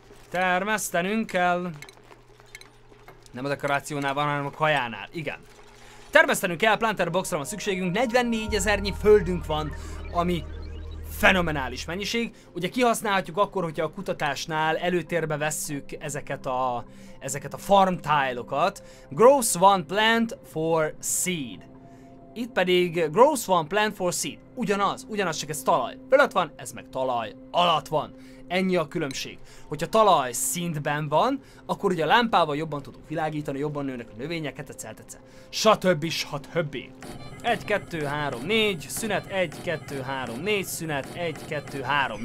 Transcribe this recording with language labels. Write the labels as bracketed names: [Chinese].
[Hungarian] Termesztenünk kell. Nem a dekorációnál van, hanem a kajánál. Igen. Termesztenünk kell, planter boxra van szükségünk. 44 000-nyi földünk van, ami fenomenális mennyiség. Ugye kihasználhatjuk akkor, hogyha a kutatásnál előtérbe vesszük ezeket a farm tile-okat. [English] Grows one plant for seed. [Hungarian] Itt pedig [English] grows one plant for seed. [Hungarian] Ugyanaz, csak ez talaj fölött van, ez meg talaj alatt van. Ennyi a különbség. Hogyha talaj szintben van, akkor ugye a lámpával jobban tudunk világítani, jobban nőnek a növényeket, etc. Satöbbi, satöbbi. 1, 2, 3, 4, szünet, 1, 2, 3, 4, szünet, 1, 2, 3.